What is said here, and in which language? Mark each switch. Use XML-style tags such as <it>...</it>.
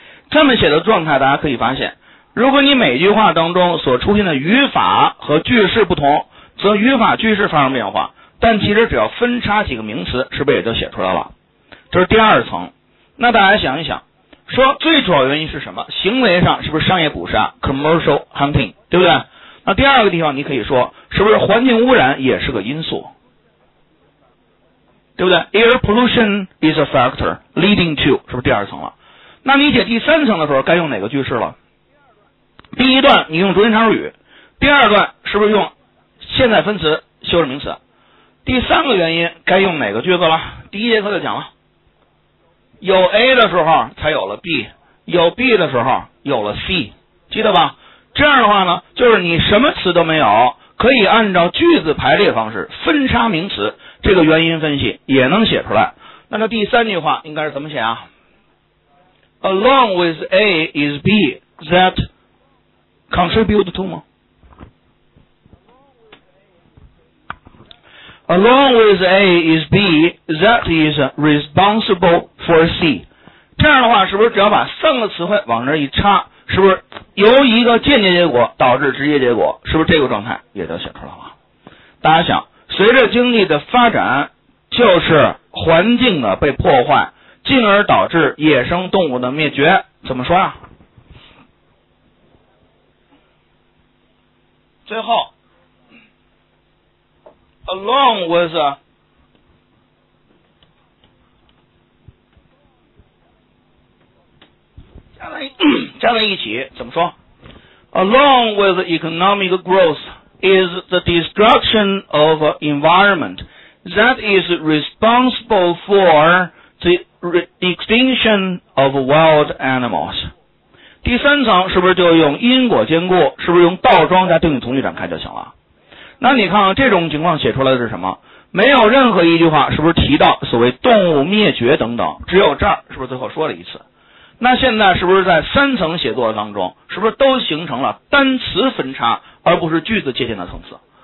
<zh>这么写的状态，大家可以发现，如果你每句话当中所出现的语法和句式不同，则语法句式发生变化，但其实只要分叉几个名词，是不是也就写出来了？这是第二层。那大家想一想，说最主要原因是什么？行为上是不是商业捕杀</zh> <en>commercial hunting，</en> <zh>对不对？那第二个地方你可以说，是不是环境污染也是个因素，对不对？</zh> <en>Air pollution is a factor leading to，</en> <zh>是不是第二层了？那你解第三层的时候该用哪个句式了？第一段你用主宾常数语，第二段是不是用现在分词修饰名词？第三个原因该用哪个句子了？第一节课就讲了，有 A 的时候才有了 B， 有 B 的时候有了 C， 记得吧？这样的话呢，就是你什么词都没有，可以按照句子排列方式分叉名词，这个原因分析也能写出来。那这第三句话应该是怎么写啊？</zh> <en>Along with A is B that contribute to</en> <zh>吗？</zh> <en>Along with A is B that is responsible for C，</en> <zh>这样的话是不是只要把三个词汇往这一插，是不是由一个间接结果导致直接结果，是不是这个状态也就写出来了？大家想，随着经济的发展，就是环境的被破坏，进而导致野生动物的灭绝，怎么说啊？最后</zh> <en>Along with Along with economic growth is the destruction of environment that is responsible for the extinction of wild animals。第三层是不是就用因果兼顾，是不是用倒装加定语从句展开就行了？那你看这种情况写出来的是什么？没有任何一句话是不是提到所谓动物灭绝等等，只有这儿是不是最后说了一次？那现在是不是在三层写作当中，是不是都形成了单词分叉而不是句子借鉴的层次？</en>